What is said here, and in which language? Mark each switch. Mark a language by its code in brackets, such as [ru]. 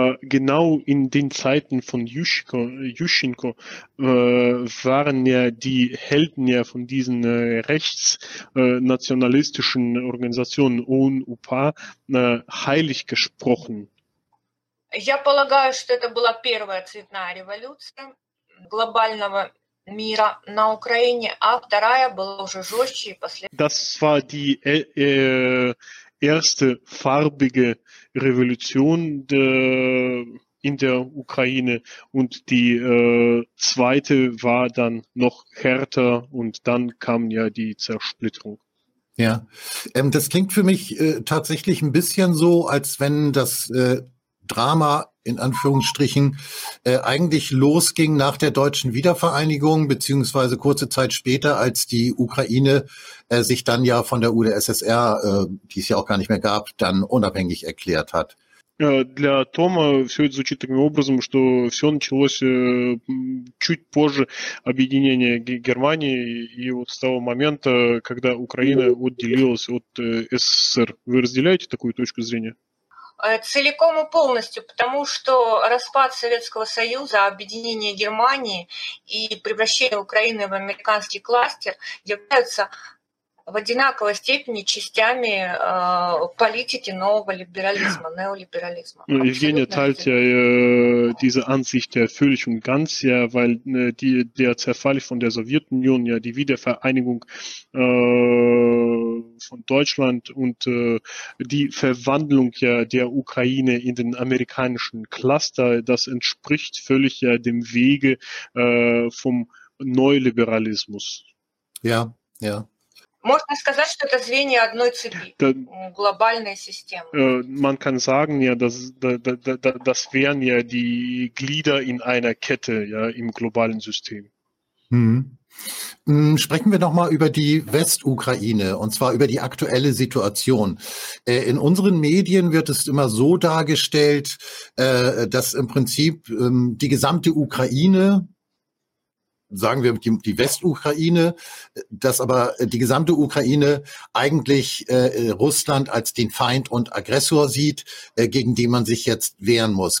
[de] Genau in den Zeiten von Juschenko waren ja die Helden ja von diesen rechtsnationalistischen Organisationen ОУН-УПА heilig gesprochen. [ru] Я полагаю, что это была первая цветная революция глобального мира на Украине, а вторая была уже жестче и последовательнее. [de] Das war die erste farbige Revolution in der Ukraine und die zweite war dann noch härter und dann kam ja die Zersplitterung. Ja, das klingt für mich tatsächlich ein bisschen so, als wenn das Drama in Anführungsstrichen eigentlich losging nach der deutschen Wiedervereinigung beziehungsweise kurze Zeit später, als die Ukraine sich dann ja von der UdSSR, die es ja auch gar nicht mehr gab, dann unabhängig erklärt hat. [ru] Для Тома все это звучит таким образом, что все началось чуть позже объединения Германии и вот с того момента, когда Украина отделилась от СССР. Вы разделяете такую точку зрения? Целиком и полностью, потому что распад Советского Союза, объединение Германии и превращение Украины в американский кластер являются в одинаковой степени частями политики нового либерализма, неолиберализма. [de] Евгения, teilt ja diese Ansicht der Fühligung ganz, ja, weil der Zerfall von der Sowjetunion, ja, die Wiedervereinigung von Deutschland und die Verwandlung ja der Ukraine in den amerikanischen Cluster, das entspricht völlig ja dem Wege vom Neoliberalismus. Ja, ja. [ru] Можно сказать, что это звенья одной цепи, глобальной системы. [de] Man kann sagen, ja, das wären ja die Glieder in einer Kette, ja, im globalen System. Sprechen wir nochmal über die Westukraine und zwar über die aktuelle Situation. In unseren Medien wird es immer so dargestellt, dass im Prinzip die gesamte Ukraine, sagen wir die Westukraine, dass aber die gesamte Ukraine eigentlich Russland als den Feind und Aggressor sieht, gegen den man sich jetzt wehren muss.